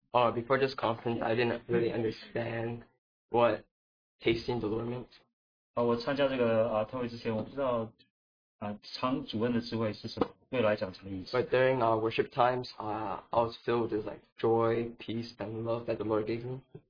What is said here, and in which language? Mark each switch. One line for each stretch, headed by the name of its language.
English: Before this conference, I didn't really understand what tasting the Lord meant.
Chinese: 我参加这个特会之前，我不知道尝主恩的滋味是什么，对我来讲什么意思。
English: But during our worship times, I was filled with like joy, peace, and love that the Lord gave me.